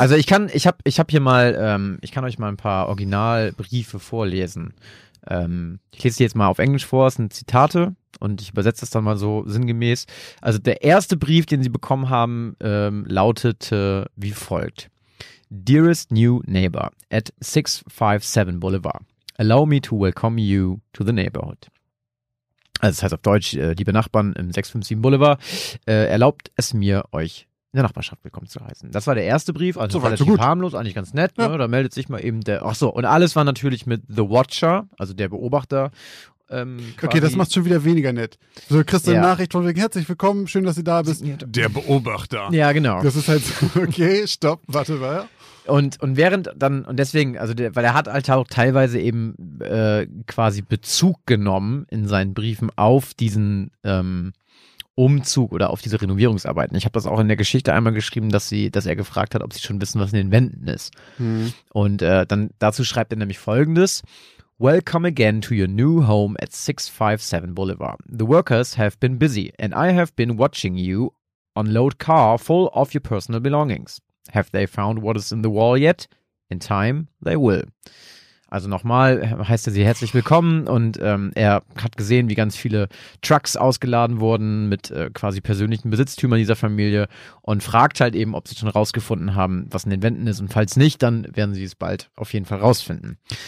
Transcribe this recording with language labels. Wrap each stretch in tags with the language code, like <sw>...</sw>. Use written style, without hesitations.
<de>also ich habe hier mal, ich kann euch mal ein paar Originalbriefe vorlesen. Ich lese sie jetzt mal auf Englisch vor, es sind Zitate und ich übersetze das dann mal so sinngemäß. Also der erste Brief, den sie bekommen haben, lautete wie folgt.</de> <en>Dearest new neighbor at 657 Boulevard, allow me to welcome you to the neighborhood.</en> <de>Also das heißt auf Deutsch, liebe Nachbarn im 657 Boulevard, erlaubt es mir, euch in der Nachbarschaft willkommen zu heißen. Das war der erste Brief, also so relativ so harmlos, eigentlich ganz nett. Ja. Ne? Da meldet sich mal eben der, ach so, und alles war natürlich mit The Watcher, also der Beobachter. Okay, das macht schon wieder weniger nett. So, kriegst du eine Nachricht von wegen, herzlich willkommen, schön, dass Sie da bist. Der Beobachter. Ja, genau. Das ist halt so, okay, stopp, warte mal. Und während dann, und deswegen, also der, weil er hat halt auch teilweise eben quasi Bezug genommen in seinen Briefen auf diesen Umzug oder auf diese Renovierungsarbeiten. Ich habe das auch in der Geschichte einmal geschrieben, dass er gefragt hat, ob sie schon wissen, was in den Wänden ist. Hm. Und dann dazu schreibt er nämlich Folgendes.</de> <en>Welcome again to your new home at 657 Boulevard. The workers have been busy and I have been watching you unload car full of your personal belongings. Have they found what is in the wall yet? In time, they will.</en> <de>Also nochmal heißt er sie herzlich willkommen und er hat gesehen, wie ganz viele Trucks ausgeladen wurden mit quasi persönlichen Besitztümern dieser Familie und fragt halt eben, ob sie schon rausgefunden haben, was in den Wänden ist und falls nicht, dann werden sie es bald auf jeden Fall rausfinden.</de>